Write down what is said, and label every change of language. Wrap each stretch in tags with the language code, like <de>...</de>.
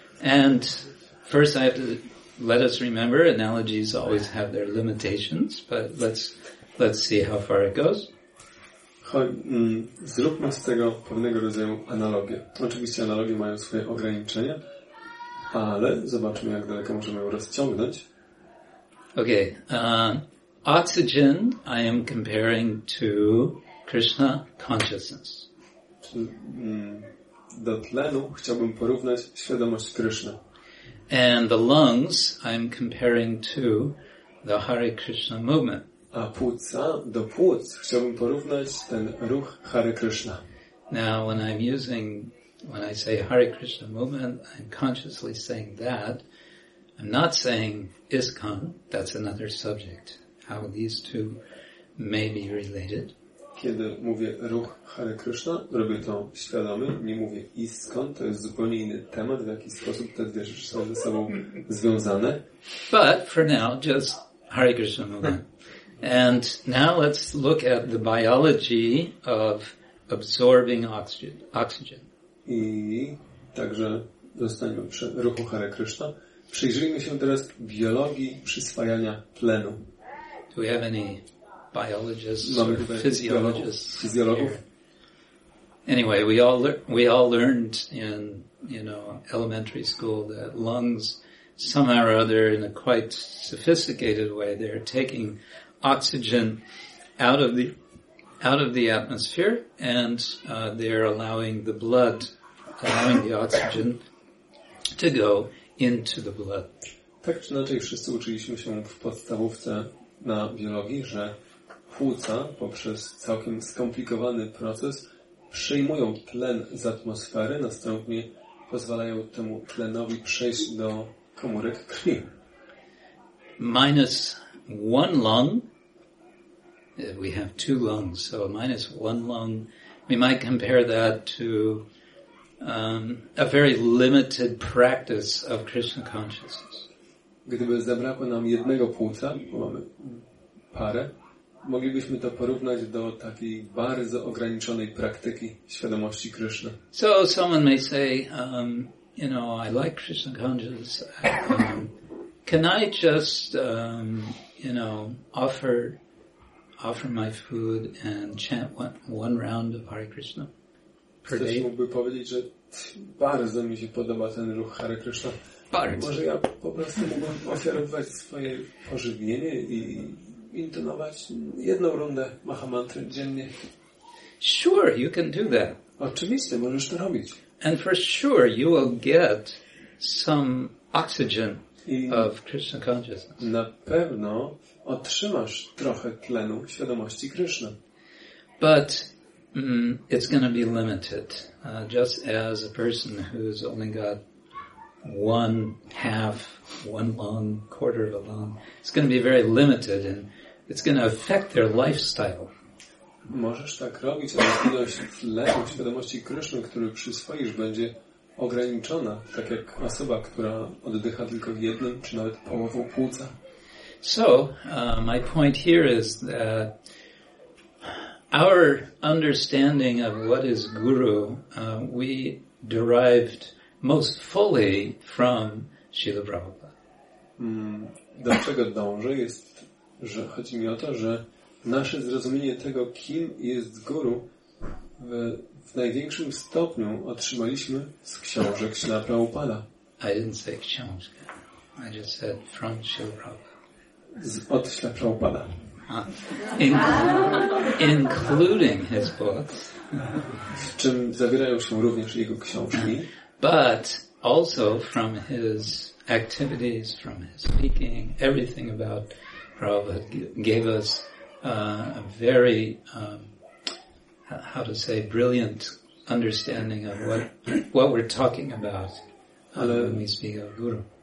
<en>And first I have to let us remember analogies always have their limitations, but let's see how far it goes.</en> <pl>Zróbmy z tego pewnego rodzaju analogię. Oczywiście analogie mają swoje ograniczenia, ale zobaczmy, jak daleko możemy ją rozciągnąć.</pl> <en>Okay. Oxygen I am comparing to Krishna consciousness.</en> <pl>Do tlenu chciałbym porównać świadomość Krishna.</pl> <en>And the lungs I'm comparing to the Hare Krishna movement.</en> <pl>A płuca, do płuc chciałbym porównać ten ruch Hare Krishna.</pl> <en>Now when I say Hare Krishna movement, I'm consciously saying that. I'm not saying ISKCON, that's another subject, how these two may be related.</en> <pl>Kiedy mówię ruch Hare Krishna, robię to świadomie, nie mówię ISKCON, to jest zupełnie inny temat, w jaki sposób te dwie rzeczy są ze sobą związane.</pl> <en>But for now, just Hare Krishna movement. And now let's look at the biology of absorbing oxygen.</en> <pl>I także zostańmy przy ruchu Hare Krishna. Przyjrzyjmy się teraz biologii przyswajania tlenu.</pl> <en>Do we have any biologists or physiologists?</en> <pl>Physiologów.</pl> <en>Anyway, we all learned in, you know, elementary school that lungs, somehow or other, in a quite sophisticated way, they're taking oxygen out of the atmosphere, and they're allowing the oxygen to go into the blood.</en> <pl>Tak czy inaczej, wszyscy uczyliśmy się w podstawówce na biologii, że płuca poprzez całkiem skomplikowany proces przyjmują tlen z atmosfery, następnie pozwalają temu tlenowi przejść do komórek krwi.</pl> <en>Minus one lung. We have two lungs, so minus one lung. We might compare that to a very limited practice of Krishna consciousness.</en> <pl>Gdyby zabrakło nam jednego płuca, bo mamy parę, moglibyśmy to porównać do takiej bardzo ograniczonej praktyki świadomości Krishna.</pl> <en>So someone may say, you know, I like Krishna consciousness. Can I just, you know, offer my food and chant one round of Hare Krishna per day?</en> <pl>Ktoś mógłby powiedzieć, że bardzo mi się podoba ten ruch Hare Krishna. Bardzo. Może ja po prostu mógłbym ofiarować swoje pożywienie i intonować jedną rundę Mahamantry dziennie.</pl> <en>Sure, you can do that.</en> <pl>Oczywiście, możesz to robić.</pl> <en>And for sure you will get some oxygen of Krishna consciousness.</en> <pl>Na pewno otrzymasz trochę tlenu świadomości Krishna.</pl> <en>But it's going to be limited. Just as a person who's only got one half, one lung, quarter of a lung, it's going to be very limited and it's going to affect their lifestyle.</en> <pl>Możesz tak robić, ale ilość tlenu świadomości Krishna, który przyswoisz, będzie ograniczona, tak jak osoba, która oddycha tylko w jednym czy nawet połową płuca.</pl> <en>So, my point here is that our understanding of what is guru, we derived most fully from Śrīla Prabhupāda.</en> <pl>Do czego dążę jest, że chodzi mi o to, że nasze zrozumienie tego, kim jest guru, w największym stopniu otrzymaliśmy z książek Śrīla Prabhupāda.</pl> <en>I didn't say</en> <pl>książkę.</pl> <en>I just said from Śrīla Prabhupāda.</en> <pl>Od Śrīla Prabhupāda.</pl> <en>Including his books.</en> <pl>W czym zawierają się również jego książki.</pl> <en>But also from his activities, from his speaking, everything about Prabhupada gave us a very, how to say, brilliant understanding of what we're talking about when we speak of Guru.</en>